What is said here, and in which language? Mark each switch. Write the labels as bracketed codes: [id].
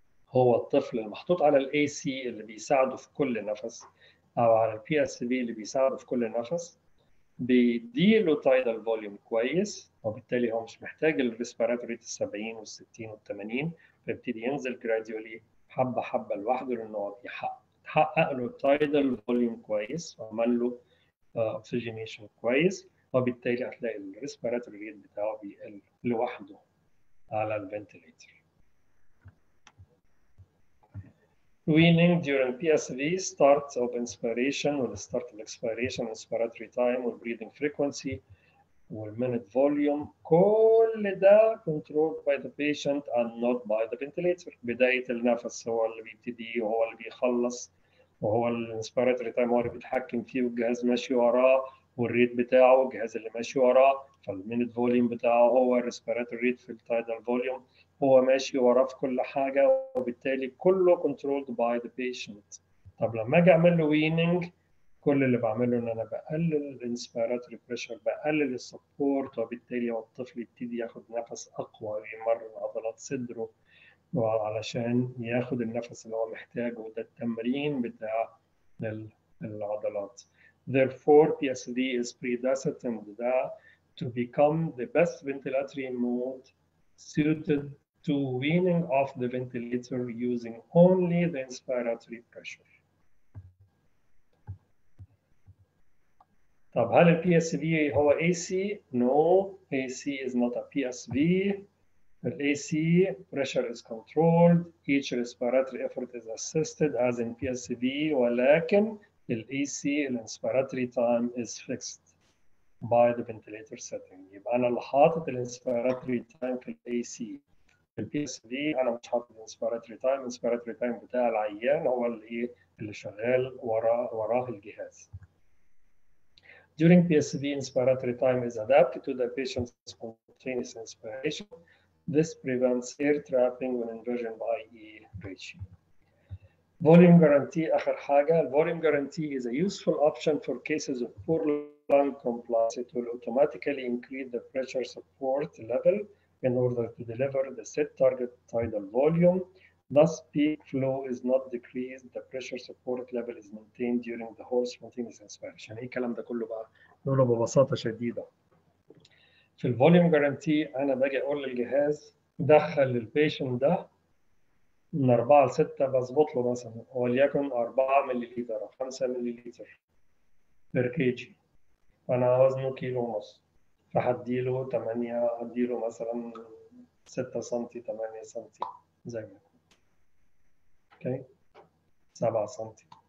[ar] هو الطفل المحطوط على الاي سي اللي بيساعده في كل نفس او على البي اس بي اللي بيساعده في كل نفس بيديله تايدل فوليوم كويس، وبالتالي هو مش محتاج الريسبيراتوري ال 70 وال 60 وال 80، فيبتدي ينزل جراديولي حبه حبه لوحده، لانه بيحقق له تايدل فوليوم كويس وعمل له اكسجينيشن كويس، وبالتالي هتلاقي الريسبيراتوري ريت بتاعه بيقل لوحده على الفنتيليتر. [en] Weaning during PSV, start of inspiration or the start of expiration, inspiratory time or breathing frequency or minute volume, [ar] كل ده [en] controlled by the patient and not by the ventilator. [ar] بداية النفس هو اللي بيبتدي وهو اللي بيخلص، وهو الانسبيراتوري تايم هو اللي بيتحكم فيه، والجهاز ماشي وراه والريت بتاعه والجهاز اللي ماشي وراه، فالمينت فوليوم بتاعه هو الريسبيراتوري ريت في التايدل فوليوم، هو ماشي وراه في كل حاجه، وبالتالي كله [en] Controlled by the patient. [ar] طب لما اجي اعمل له ويننج، كل اللي بعمله ان انا بقلل الانسبيراتوري بريشر، بقلل السبورت، وبالتالي هو الطفل يبتدي ياخد نفس اقوى ويمرن عضلات صدره علشان ياخد النفس اللي هو محتاجه، وده التمرين بتاع العضلات. [en] Therefore, PSV is predestined to become the best ventilatory mode suited to weaning off the ventilator using only the inspiratory pressure. [ar] طب هل PSV هو AC؟ [en] No, AC is not a PSV. The AC pressure is controlled. Each respiratory effort is assisted as in PSV, [ar] ولكن الAC الانسبيراتوري تايم [en] is fixed by the ventilator setting. [ar] يبقى أنا اللي حاطط الانسبيراتوري تايم في الAC. في الPSV أنا مش حاطط الانسبيراتوري تايم، الانسبيراتوري تايم بتاع العيان هو اللي شغال وراه الجهاز. [en] During PSV, inspiratory time is adapted to the patient's spontaneous inspiration. This prevents air trapping when inversion by E ratio. Volume guarantee, [ar] آخر حاجة. [en] Volume guarantee is a useful option for cases of poor lung compliance. It will automatically increase the pressure support level in order to deliver the set target tidal volume. Thus, peak flow is not decreased. The pressure support level is maintained during the whole spontaneous inspiration. [ar] إيه كلام ده كله بقى؟ نقوله ببساطة شديدة. في الفوليوم guarantee أنا باجي أقول للجهاز دخل للبيشن ده من 4 ل 6 بظبط له مثلا وليكن 4 ملليتر او 5 ملليتر بير كي جي، فانا وزنه كيلو ونص، فهدي له 8، هدي له مثلا 6 سنتي 8 سنتي زي ما يكون، اوكي 7 سنتي.